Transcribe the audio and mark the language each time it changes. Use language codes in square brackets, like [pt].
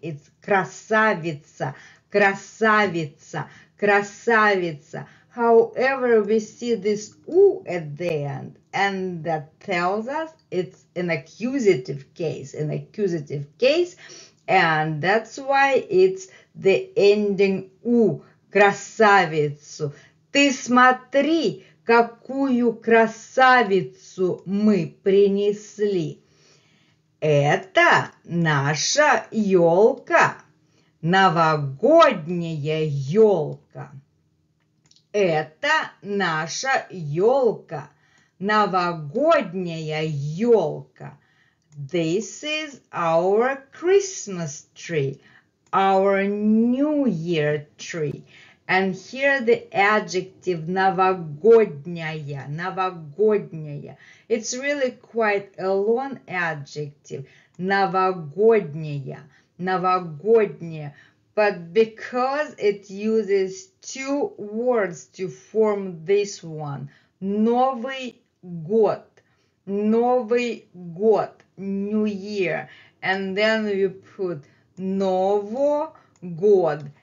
[en] It's [ru] красавица, красавица, красавица. [en] However, we see this U at the end, and that tells us it's an accusative case, an accusative case, and that's why it's the ending U, красавицу. [ru] Ты смотри, какую красавицу мы принесли. Это наша ёлка, новогодняя ёлка. Это наша ёлка, новогодняя ёлка. [en] This is our Christmas tree, our New Year tree. And here the adjective [ru] новогодняя, новогодняя. [en] It's really quite a long adjective. [ru] Новогодняя, новогодняя. [en] But because it uses two words to form this one. [ru] Новый год, Новый год, [en] New Year. And then we put [ru] Ново год.